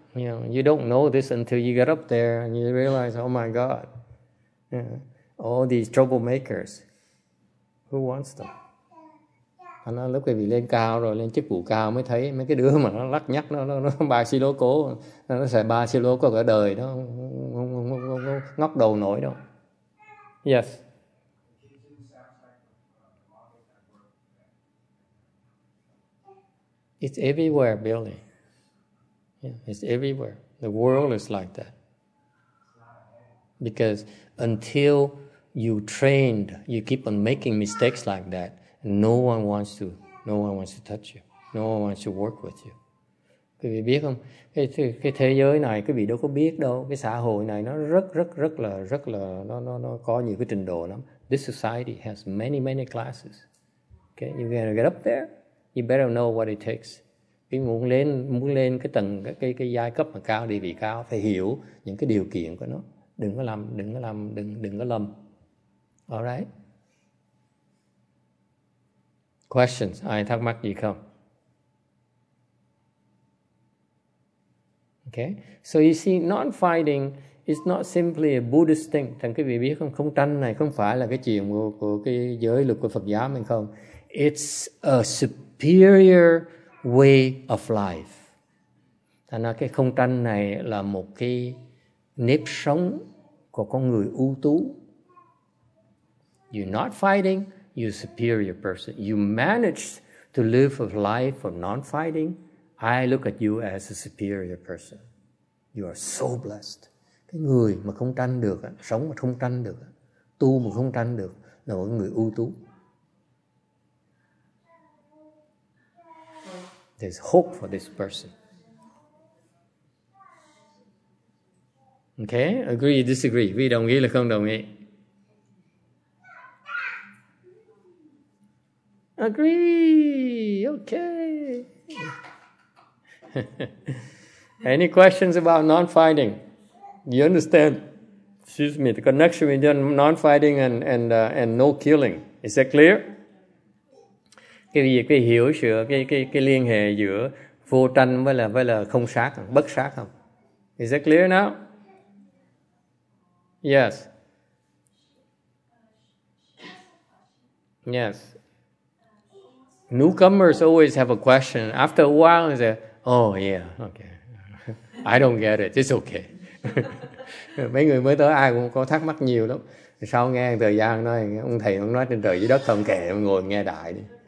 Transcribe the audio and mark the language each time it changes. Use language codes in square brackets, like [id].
[en] You know, you don't know this until you get up there and you realize, oh my God, yeah, all these troublemakers, who wants them? [vi] Anh nói lúc quý vị lên cao rồi, lên chức vụ cao mới thấy mấy cái đứa mà nó lắc nhắc nó ba xí lô cố, nó sẽ ba xí lô cố cả đời đó, không ngóc đầu nổi đâu. [en] Yes. It's everywhere, Billy. Yeah, it's everywhere. The world is like that. Because until you trained, you keep on making mistakes like that, no one wants to touch you. No one wants to work with you. [vi] Quý vị biết không? Cái thế giới này quý vị đâu có biết đâu. Cái xã hội này nó rất là nó có nhiều cái trình độ lắm. [en] This society has many, many classes. Okay, you're gonna get up there. You better know what it takes. [vi] Quý vị muốn lên cái tầng cái giai cấp mà cao, địa vị cao, phải hiểu những cái điều kiện của nó. Đừng có lầm. [en] All right. Questions? [vi] Ai thắc mắc gì không? [en] Okay. So you see, non-fighting is not simply a Buddhist thing. [vi] Thằng quý vị biết không? Không tranh này không phải là cái chuyện của cái giới luật của Phật giáo mình không? [en] It's a superior way of life. [vi] Thành ra cái không tranh này là một cái nếp sống của con người ưu tú. [en] You're not fighting, you're a superior person. You managed to live a life of non-fighting. I look at you as a superior person. You are so blessed. [vi] Cái người mà không tranh được, sống mà không tranh được, tu mà không tranh được, là một người ưu tú. [en] There's hope for this person. Okay, agree, disagree. [vi] Vì đồng ý là không đồng ý. [en] Agree. Okay. Any questions about non-fighting? You understand? Excuse me. The connection between non-fighting and no killing. Is that clear? [vi] Cái hiểu sửa cái liên hệ giữa vô tranh với là không sát, bất sát không? [en] Is that clear now? Yes. Yes. Newcomers always have a question. After a while, they say, oh, yeah, okay. I don't get it. It's okay. [vi] Mấy người mới tới, ai cũng có thắc mắc nhiều lắm. Sau nghe thời gian, nói, ông thầy ông nói trên trời dưới đất không kể, ngồi nghe đại đi.